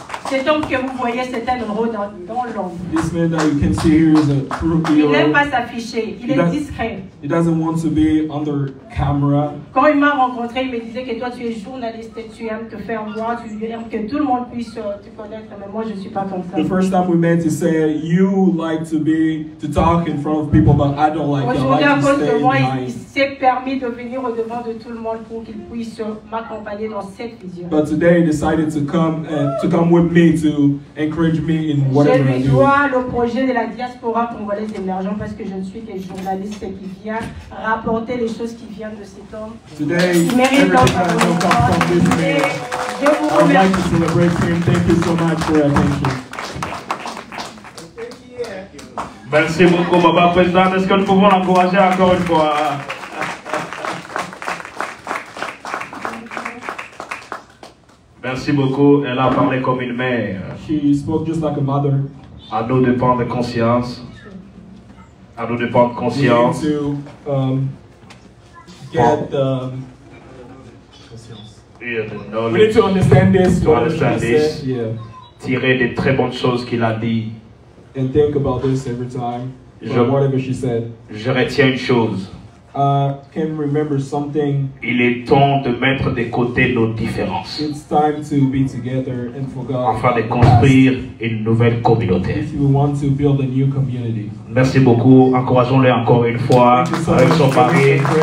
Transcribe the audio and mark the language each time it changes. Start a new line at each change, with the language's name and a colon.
French: Cet homme que vous voyez, c'est un héros dans l'ombre.
English: This man that you can see here is a true hero.
French: Il n'aime pas s'afficher, il est discret.
English: He doesn't want to be under camera.
French: Quand il m'a rencontré, il me disait que toi tu es journaliste, tu aimes te faire voir, tu aimes que tout le monde puisse te connaître, mais moi je ne suis pas comme ça.
English: The first time we met, he said, you like to talk in front of people, but I don't like that.
French: Aujourd'hui,
English: I like
French: à cause
English: to
French: de
English: stay
French: moi,
English: behind.
French: Il s'est permis de venir au devant de tout le monde pour qu'il puisse m'accompagner dans cette vision.
English: But today he decided to come with me to encourage me in whatever I do.
French: Je dois le projet de la diaspora congolaise émergent parce que je ne suis qu'un journaliste qui vient rapporter les choses qui viennent de cet homme.
English: Today,
French: il mérite l'encouragement. Je vous remercie.
English: I'd like to celebrate him. Thank you so much for your attention.
French: Merci beaucoup, Baba Président. Est-ce que nous pouvons l'encourager encore une fois? Merci beaucoup. Elle a parlé comme une mère.
English: She spoke just like a mother.
French: À nous de prendre conscience. À nous de prendre conscience.
English: We need to get conscience. We need to understand this. To understand this. Yeah.
French: Tirer des très bonnes choses qu'il a dit.
English: And think about this every time.
French: Je,
English: whatever she said.
French: Je retiens une chose.
English: Can remember something.
French: Il est temps de mettre de côté nos différences.
English: It's time to be together and forgot.
French: Afin de construire une nouvelle communauté.
English: If you want to build a new community.
French: Merci beaucoup. Encourageons-le encore une fois avec son mari.